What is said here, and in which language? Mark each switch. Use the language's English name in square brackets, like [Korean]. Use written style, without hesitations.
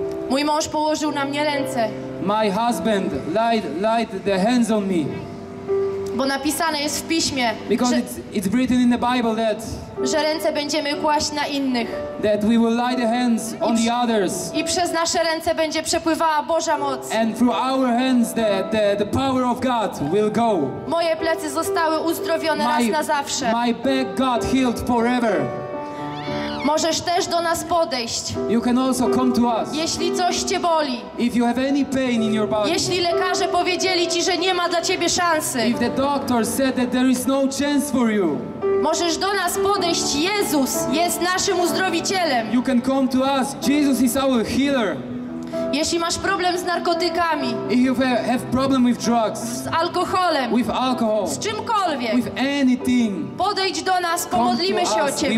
[Polish] Mój mąż położył na mnie ręce. [English] My husband laid the hands on me. [Polish] Bo napisane jest w piśmie. [English] Because [Polish] że, [English] it's written in the Bible that. [Polish] Że ręce będziemy kłaść na innych. [English] That we will lay the hands on the others. [Polish] I przez nasze ręce będzie przepływała Boża moc. [English] And through our hands the power of God will go. [Polish] Moje plecy zostały uzdrowione raz na zawsze. [English] My back got healed forever. [Polish] Możesz też do nas podejść. [English] You can also come to us. [Polish] Jeśli coś cię boli. [English] If you have any pain in your body. [Polish] Jeśli lekarze powiedzieli ci, że nie ma dla ciebie szansy. [English] If the doctor said that there is no chance for you. [Polish] Możesz do nas podejść. Jezus jest naszym uzdrowicielem. [English] You can come to us. Jesus is our healer. [Polish] Jeśli masz problem z narkotykami. [English] If you have problem with drugs. [Polish] Z alkoholem. [English] With alcohol. [Polish] Z czymkolwiek. [English] With anything. [Polish] Podejdź do nas, pomodlimy się o ciebie.